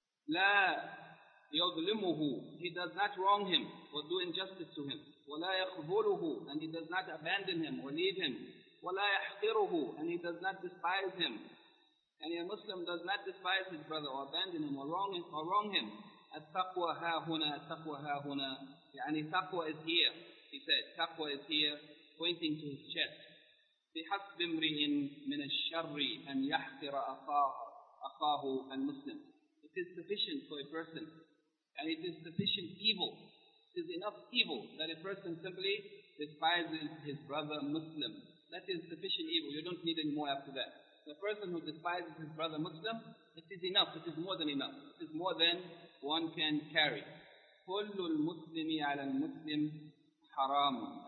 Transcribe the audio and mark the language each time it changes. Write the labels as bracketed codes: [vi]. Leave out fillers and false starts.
[ar] La yadhlimuhu, [en] he does not wrong him or do injustice to him. [ar] وَلَا يَقْبُلُهُ, [en] and he does not abandon him or leave him. [ar] وَلَا يَحْقِرُهُ, [en] and he does not despise him. And a Muslim does not despise his brother or abandon him or wrong him. [ar] التَّقْوَى هَا هُنَا, التَّقْوَى هَا هُنَا. [en] يعني taqwa is here, he said. Taqwa is here, pointing to his chest. [ar] بِحَسْبِ امْرِئٍ مِنَ الشَّرِّ أَنْ يَحْقِرَ أَخَاهُ المسلم. [en] It is sufficient for a person, and it is sufficient evil. It is enough evil that a person simply despises his brother Muslim. That is sufficient evil. You don't need any more after that. The person who despises his brother Muslim, it is enough. It is more than enough. It is more than one can carry. [ar] كل المسلم على المسلم حرام.